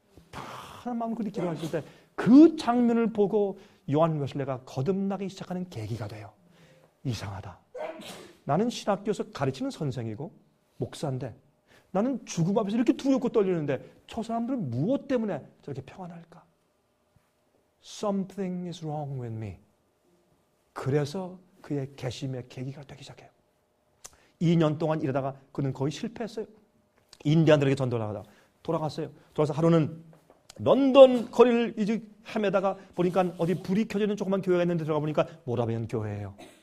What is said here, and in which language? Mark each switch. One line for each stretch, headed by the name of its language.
Korean: 편한 마음을 그렇게 기도하실 때 그 장면을 보고 요한 웨슬레가 거듭나기 시작하는 계기가 돼요. 이상하다. 나는 신학교에서 가르치는 선생이고 목사인데 나는 죽음 앞에서 이렇게 두렵고 떨리는데 저 사람들은 무엇 때문에 저렇게 평안할까?
English: Something is wrong with me.
Korean: 그래서 그의 개심의 계기가 되기 시작해요. 2년 동안 이러다가 그는 거의 실패했어요. 인디안들에게 전도를 하다가 돌아갔어요. 돌아가서 하루는 런던 거리를 이제 헤매다가 보니까 어디 불이 켜지는 조그만 교회가 있는데 들어가 보니까 모라비안 교회예요.